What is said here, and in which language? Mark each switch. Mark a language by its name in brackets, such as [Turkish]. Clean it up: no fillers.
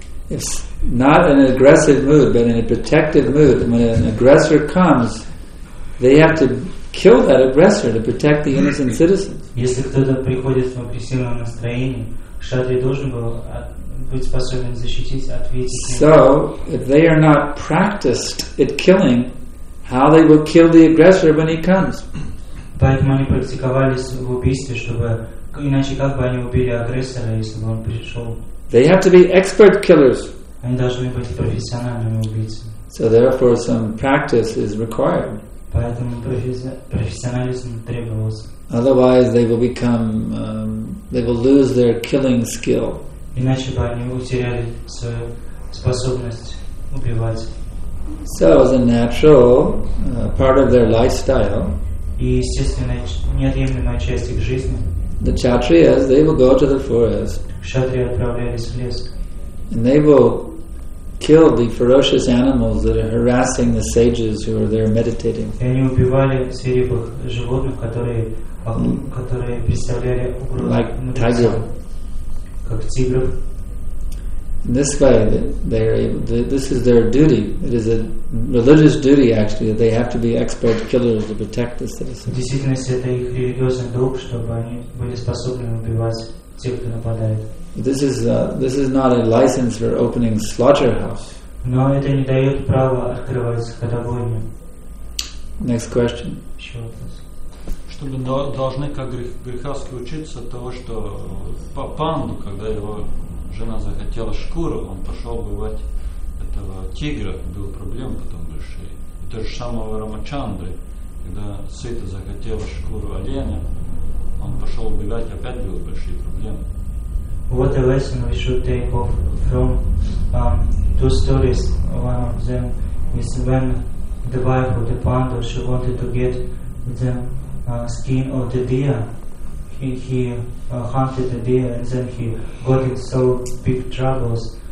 [English] It's not in an aggressive mood, but in a protective mood. When an aggressor comes, they have to kill that aggressor to protect the innocent citizens. [Russian] Если кто-то приходит в агрессивном настроении, кшатрия должен был быть способен защитить, ответить. [English] So, if they are not practiced at killing, how they will kill the aggressor when he comes? [Russian] Поэтому они практиковались в убийстве, чтобы иначе как бы они убили агрессора, если бы он пришел. [English] They have to be expert killers. [Russian] Они должны быть профессиональными убийцами. [English] So therefore some practice is required. [Russian] Поэтому профессионализм требовался. [English] Otherwise they will become they will lose their killing skill. [Russian] Иначе бы они утеряли свою способность убивать. [English] So as a natural part of their lifestyle. [Russian] И естественно неотъемлемая часть их жизни. [English] The Kshatriyas, they will go to the forest. [Russian] Kshatriya отправлялись в лес. [English] And they will kill the ferocious animals that are harassing the sages who are there meditating. [Russian] И они убивали свирепых животных, которые представляли угрозу. [English] Like tiger. [Russian] Как тигров. [English] In this way, this is their duty. It is a religious duty, actually, that they have to be expert killers to protect the citizens. [Russian] Действительно, это их религиозный долг, чтобы они были способны убивать тех, кто нападает. [English] This is not a license for opening slaughterhouse. [Russian] Но это не дает права открывать скотобойню. [English] Next question. [Russian] Еще вопрос. Чтобы должны как грехаски учиться от того, что по панду, когда его жена захотела шкуру, он пошел убивать этого тигра, был проблем потом большие. И то же самое у Рамачандры, когда Сита захотела шкуру оленя, он пошел убивать, опять было большие проблемы. [English] What a lesson we should take off from two stories. One of them is when the wife of the panda, she wanted to get the skin of the deer. He hunted the deer and then he got in so big troubles.